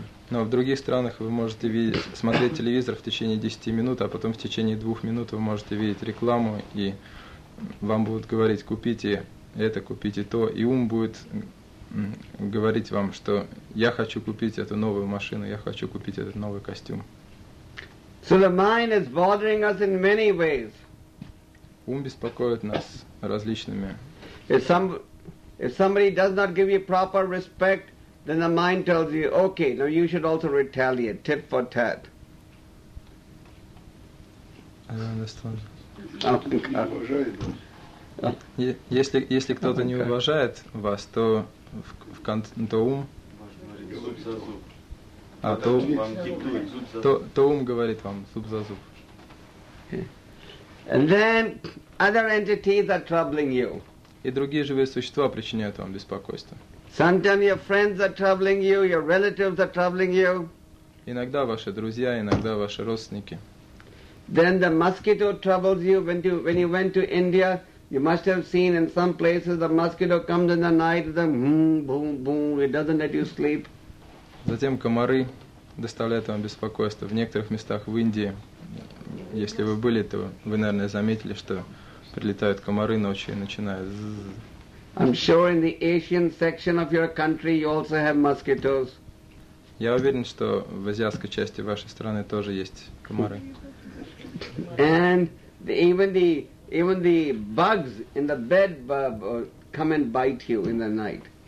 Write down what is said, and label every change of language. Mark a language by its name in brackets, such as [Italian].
[Russian] Но в других странах вы можете видеть, смотреть телевизор в течение 10 минут, а потом в течение 2 минут вы можете видеть рекламу, и вам будут говорить, купите это, купите то, и ум будет говорить вам, что я хочу купить эту новую машину, я хочу купить этот новый костюм. [English] So the mind is bothering us in many ways. [Russian] Ум беспокоит нас различными. [English] If somebody does not give you proper respect, then the mind tells you, okay, now you should also retaliate, tit for tat. I don't understand. [Russian] Если кто-то не уважает вас, то в то ум, а то ум говорит вам зуб за зуб. [English] And then other entities are troubling you. [Russian] И другие живые существа причиняют вам беспокойство. [English] Sometimes your friends are troubling you, your relatives are troubling you. [Russian] Иногда ваши друзья, иногда ваши родственники. [English] Then the mosquito troubles you. When you went to India, you must have seen in some places the mosquito comes in the night, then boom, boom, it doesn't let you sleep. [Russian] Затем комары доставляют вам беспокойство. В некоторых местах в Индии, если вы были, то вы, наверное, заметили, что прилетают комары ночью и начинают. [English] I'm sure in the Asian section of your country you also have mosquitoes. [Russian] Я уверен, что в азиатской части вашей страны тоже есть комары. [English] And even the bugs in the bed come and bite you in the night.